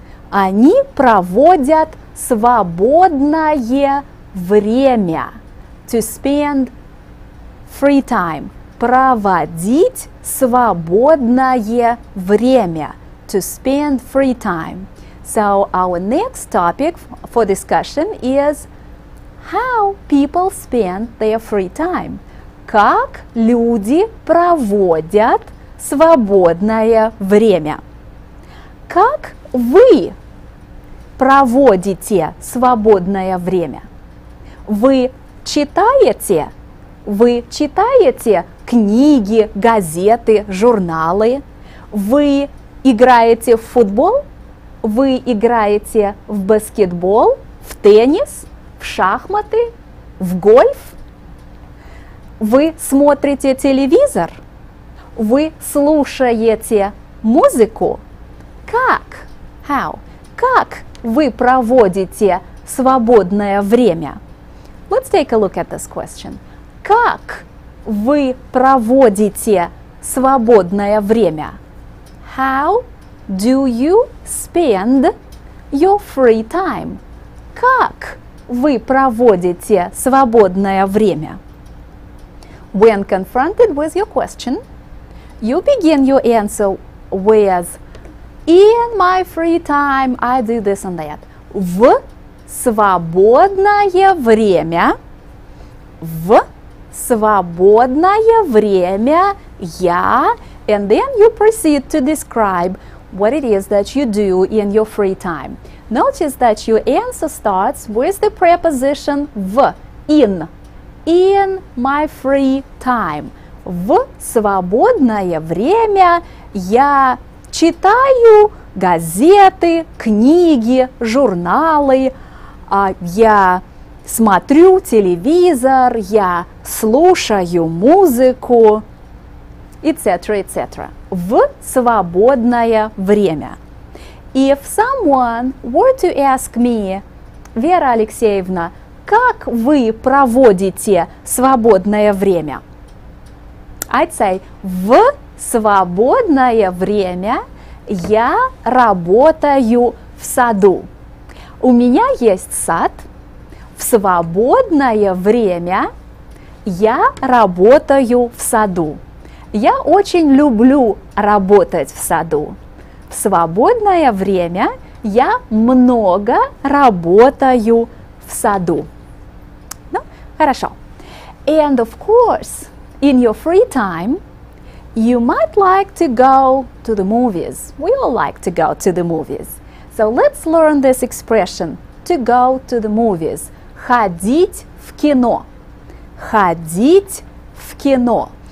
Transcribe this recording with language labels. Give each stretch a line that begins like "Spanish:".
Russian: Они проводят свободное время.
English: To spend free time.
Russian: Проводить свободное время.
English: To spend free time. So our next topic for discussion is how people spend their free time.
Russian: Как люди проводят свободное время. Как вы проводите свободное время? Вы читаете книги, газеты, журналы? Вы играете в футбол? Вы играете в баскетбол, в теннис, в шахматы, в гольф? Вы смотрите телевизор? Вы слушаете музыку? Как? How? Как вы проводите свободное время?
English: Let's take a look at this question.
Russian: Как вы проводите свободное время?
English: How do you spend your free time?
Russian: Как вы проводите свободное время?
English: When confronted with your question, you begin your answer with in my free time I do this and that.
Russian: В свободное время. В свободное время я.
English: And then you proceed to describe what it is that you do in your free time. Notice that your answer starts with the preposition в. In my free time.
Russian: В свободное время я читаю газеты, книги, журналы, я смотрю телевизор, я слушаю музыку, etc., etc. В свободное время.
English: If someone were to ask me,
Russian: Вера Алексеевна, как вы проводите свободное время?
English: I'd say,
Russian: в свободное время я работаю в саду. У меня есть сад. В свободное время я работаю в саду. Я очень люблю работать в саду. В свободное время я много работаю в саду. Ну, хорошо.
English: And of course, in your free time, you might like to go to the movies. We all like to go to the movies. So let's learn this expression, to go to the movies.
Russian: Ходить в кино. Ходить в кино.